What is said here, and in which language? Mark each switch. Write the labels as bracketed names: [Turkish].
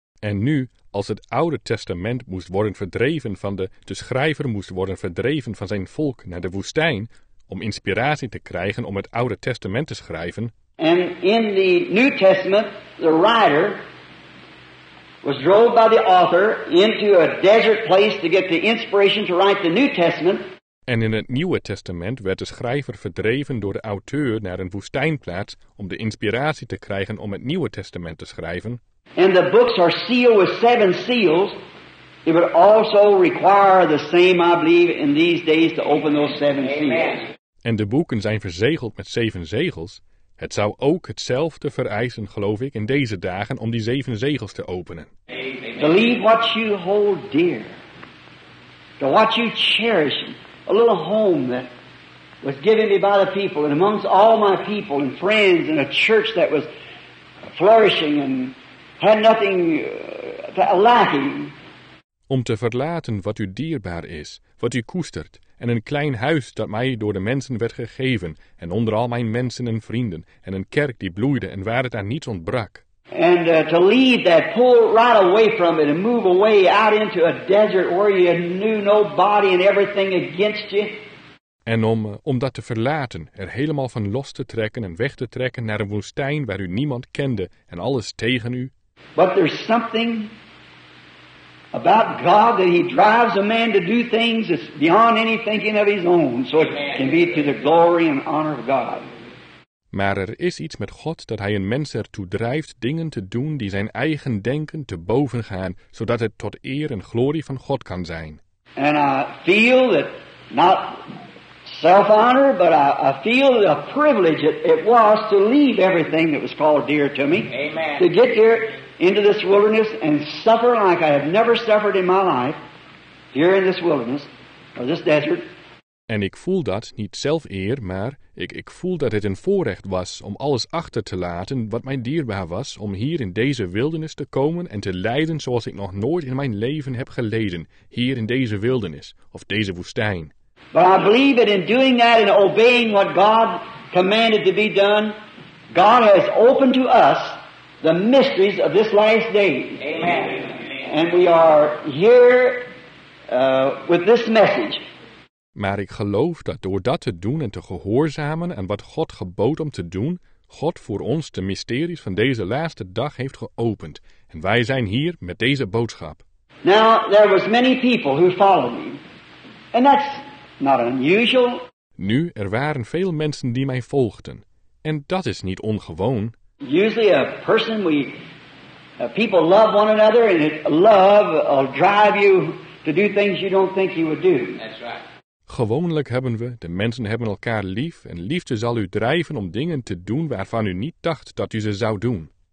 [Dutch] En nu, als het Oude Testament moest worden verdreven van de schrijver moest worden verdreven van zijn volk naar de woestijn, om inspiratie te krijgen om het Oude Testament te schrijven. [English] And in the New Testament, the writer was drove by the author into a desert place to get the inspiration to write the New Testament. [Dutch] En in het Nieuwe Testament werd de schrijver verdreven door de auteur naar een woestijnplaats om de inspiratie te krijgen om het Nieuwe Testament te schrijven. [English] And the books are sealed with seven seals. It would also require the same, I believe, in these days to open those seven seals. [Dutch] En de boeken zijn verzegeld met zeven zegels. Het zou ook hetzelfde vereisen, geloof ik, in deze dagen om die zeven zegels te openen. [English] Believe what you hold dear. To what you cherish. A little home that was given me by the people and amongst all my people and friends and a church that was flourishing and had nothing lacking. [Dutch] Om te verlaten wat u dierbaar is, wat u koestert, en een klein huis dat mij door de mensen werd gegeven, en onder al mijn mensen en vrienden, en een kerk die bloeide en waar het aan niets ontbrak. [English] And to leave that, pull right away from it, and move away out into a desert where you knew nobody and everything against you. [Dutch] En om dat te verlaten, er helemaal van los te trekken en weg te trekken naar een woestijn waar u niemand kende en alles tegen u. [English] But there's something about God that he drives a man to do things that's beyond any thinking of his own, so it can be to the glory and honor of God. [Dutch] Maar er is iets met God dat hij een mens ertoe drijft dingen te doen die zijn eigen denken te boven gaan, zodat het tot eer en glorie van God kan zijn. [English] And I feel that not self-honor, but I feel the privilege it was to leave everything that was called dear to me. Amen. To get here into this wilderness and suffer like I have never suffered in my life here in this wilderness or this desert. [Dutch] En ik voel dat niet zelf eer, maar ik voel dat het een voorrecht was om alles achter te laten wat mij dierbaar was om hier in deze wildernis te komen en te lijden zoals ik nog nooit in mijn leven heb geleden hier in deze wildernis of deze woestijn. [English] But I believe that in doing that and obeying what God commanded to be done, God has opened to us the mysteries of this last day. Amen. And we are here with this message. [Dutch] Maar ik geloof dat door dat te doen en te gehoorzamen en wat God gebood om te doen, God voor ons de mysteries van deze laatste dag heeft geopend. En wij zijn hier met deze boodschap. [English] Now, there was many people who followed me. And that's not unusual. [Dutch] Nu, er waren veel mensen die mij volgden. En dat is niet ongewoon. [English] Usually a person, people love one another and love will drive you to do things you don't think you would do. That's right. [Dutch] Gewoonlijk hebben we, de mensen hebben elkaar lief en liefde zal u drijven om dingen te doen waarvan u niet dacht dat u ze zou doen.